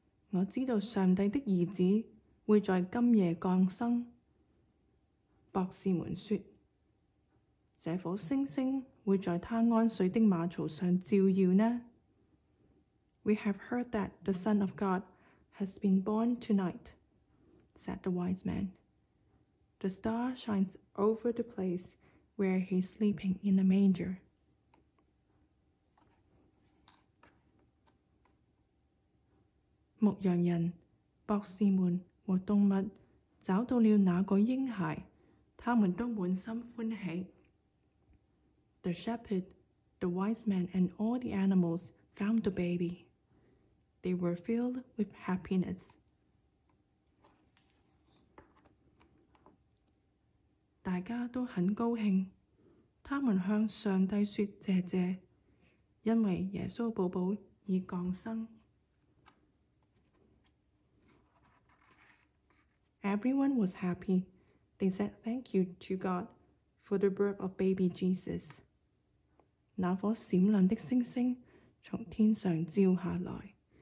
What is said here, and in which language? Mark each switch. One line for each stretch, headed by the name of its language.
Chinese: 我知道上帝的儿子会在今夜降生。博士们说，这颗星星会在他安睡的马槽上照耀呢。
English: We have heard that the Son of God has been born tonight, said the wise man. The star shines over the place where he's sleeping in a manger.
Chinese: 牧羊人、博士们和动物找到了那个婴孩，他们都满心欢喜。
English: The shepherd, the wise man, and all the animals found the baby. They were filled with happiness.
Chinese: 大家都很高兴，他们向上帝说谢谢，因为耶稣宝宝已降生。
English: Everyone was happy. They said thank you to God for the birth of baby Jesus.
Chinese: 那颗闪亮的星星从天上照下来。